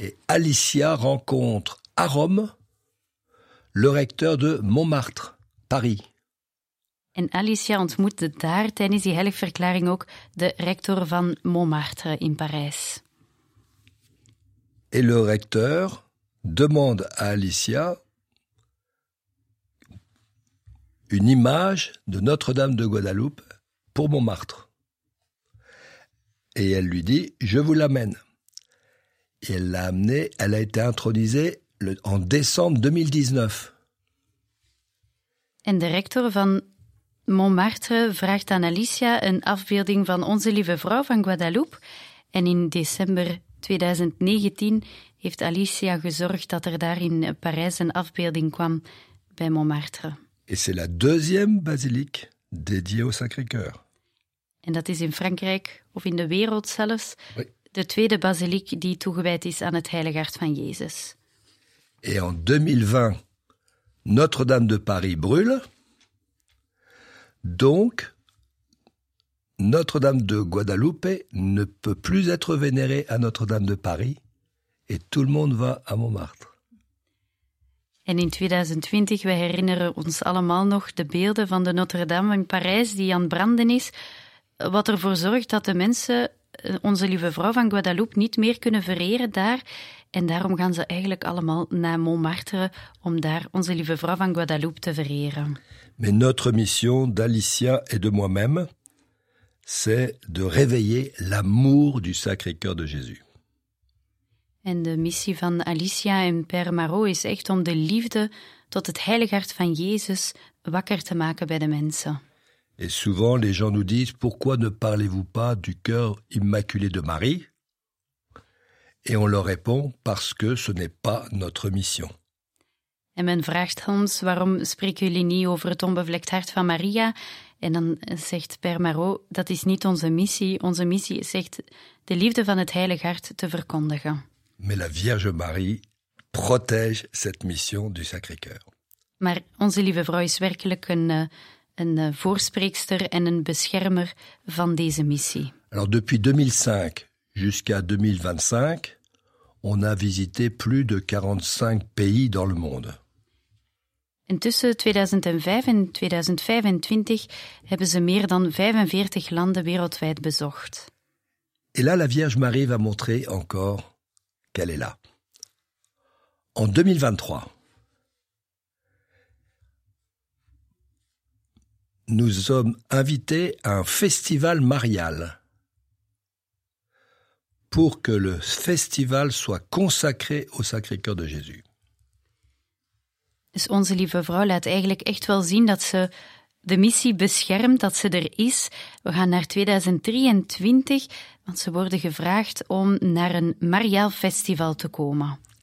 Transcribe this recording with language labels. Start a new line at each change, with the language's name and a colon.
French: Et Alicia rencontre à Rome le recteur de Montmartre, Paris.
Dutch: En Alicia ontmoet daar tijdens die heiligverklaring ook de rector van Montmartre in Parijs.
French: Et le recteur demande à Alicia une image de Notre-Dame de Guadeloupe pour Montmartre. Et elle lui dit, je vous l'amène. Et elle l'a amenée, elle a été intronisée en décembre 2019.
Dutch: En de rector van Montmartre vraagt aan Alicia een afbeelding van Onze Lieve Vrouw van Guadeloupe. En in december 2019 heeft Alicia gezorgd dat er daar in Parijs een afbeelding kwam bij Montmartre.
French: Et c'est la deuxième basilique dédiée au Sacré-Cœur.
Dutch: En dat is in Frankrijk, of in de wereld zelfs, oui, de tweede basiliek die toegewijd is aan het Heilige Hart van Jezus.
French: Et en 2020, Notre-Dame de Paris brûle. Donc, Notre-Dame de Guadeloupe ne peut plus être vénérée à Notre-Dame de Paris et tout le monde va à Montmartre.
Dutch: En in 2020, we herinneren ons allemaal nog de beelden van de Notre-Dame in Parijs die aan branden is, wat ervoor zorgt dat de mensen Onze Lieve Vrouw van Guadeloupe niet meer kunnen vereren daar en daarom gaan ze eigenlijk allemaal naar Montmartre om daar Onze Lieve Vrouw van Guadeloupe te vereren.
French: Mais notre mission d'Alicia et de moi-même, c'est de réveiller l'amour du Sacré-Cœur de Jésus.
Dutch: En de missie van Alicia en Père Marot is echt om de liefde tot het Heilig Hart van Jezus wakker te maken bij de mensen.
French: Et souvent les gens nous disent, pourquoi ne parlez-vous pas du cœur immaculé de Marie? Et on leur répond, parce que ce n'est pas notre mission.
Dutch: En men vraagt ons, waarom spreken jullie niet over het onbevlekt hart van Maria? En dan zegt Père Marot, dat is niet onze missie. Onze missie is echt de liefde van het Heilig Hart te verkondigen.
French: Mais la Vierge Marie protège cette mission du Sacré-Cœur.
Dutch: Maar Onze Lieve Vrouw is werkelijk een voorspreekster en een beschermer van deze missie.
French: Alors depuis 2005 jusqu'à 2025... on a visité plus de 45 pays dans le monde.
Dutch: Intussen 2005 en 2025 hebben ze meer dan 45 landen wereldwijd bezocht.
French: Et là, la Vierge Marie va montrer encore qu'elle est là. En 2023, nous sommes invités à un festival marial. Pour que le festival soit consacré au Sacré-Cœur de Jésus.
Dutch: Dus Onze Lieve Vrouw laat eigenlijk echt wel zien dat ze de missie beschermt, dat ze er is. We gaan naar 2023, want ze worden gevraagd om naar een mariaal festival te komen.